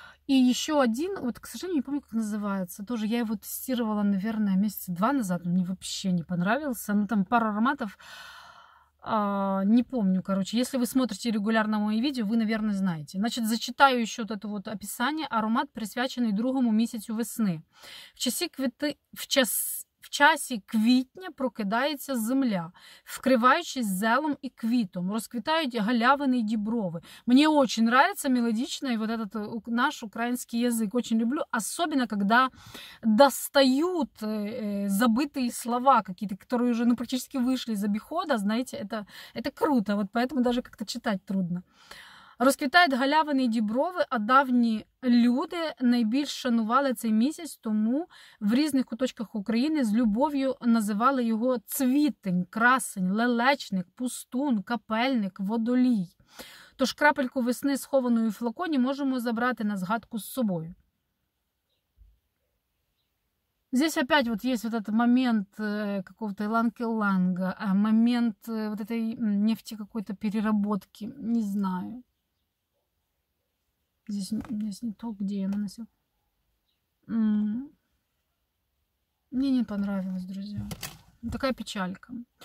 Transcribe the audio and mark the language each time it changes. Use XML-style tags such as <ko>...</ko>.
<ru>И еще один, вот, к сожалению, не помню, как называется. Тоже я его тестировала, наверное, месяца два назад. Мне вообще не понравился. Ну, там пару ароматов. Не помню, короче. Если вы смотрите регулярно мои видео, вы, наверное, знаете. Значит, зачитаю еще вот это вот описание. Аромат, присвяченный другому месяцу весны.</ru> <uk>В часы квиты... В часі квітня прокидається земля, вкриваючись зелом і квітом. Розквітають галявини і діброви. Мені дуже подобається мелодічний</uk> <ru>вот этот</ru> <uk>наш український язик. Дуже люблю, особливо, коли достають забиті слова, які-то, які вже, ну, практично вийшли з обіходу, знаєте, це круто,</uk> <ru>от поэтому даже как-то</ru> <uk>читати трудно. Розквітають галявини і діброви, а давні люди найбільш шанували цей місяць, тому в різних куточках України з любов'ю називали його цвітень, красень, лелечник, пустун, капельник, водолій. Тож крапельку весни, схованої в флаконі, можемо забрати на згадку з собою.</uk> <ru>Здесь опять вот есть вот этот момент какого-то иланг-иланга, момент вот этой нефти какой-то переработки, не знаю. Здесь не то, где я наносил. Мне не понравилось, друзья. Такая печалька.</ru>